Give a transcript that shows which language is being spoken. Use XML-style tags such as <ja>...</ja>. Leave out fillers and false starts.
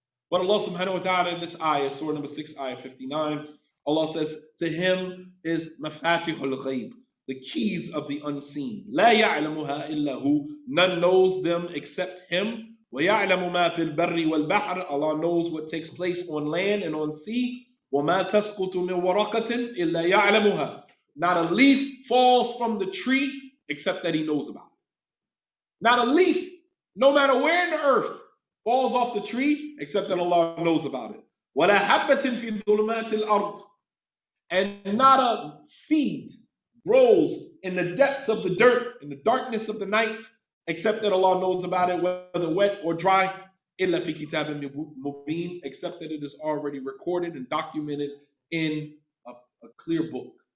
<en>But Allah subhanahu wa ta'ala in this ayah, surah number 6, ayah 59, Allah says, to him is mafatihul ghayb. The keys of the unseen.</en> <ar>لا يعلمها إلا هو.</ar> <en>None knows them except him.</en> <ar>ويعلم ما في البر والبحر.</ar> <en>Allah knows what takes place on land and on sea.</en> <ar>وما تسقط من ورقة إلا يعلمها.</ar> <en>Not a leaf falls from the tree except that he knows about it. Not a leaf, no matter where in the earth, falls off the tree except that Allah knows about it.</en> <ar>ولا حبة في ظلمات الأرض.</ar> <en>And not a seed grows in the depths of the dirt, in the darkness of the night, except that Allah knows about it, whether wet or dry,</en> <ar>إِلَّا فِي كِتَابٍ مُبِينٍ,</ar> <en>except that it is already recorded and documented in a clear book.</en>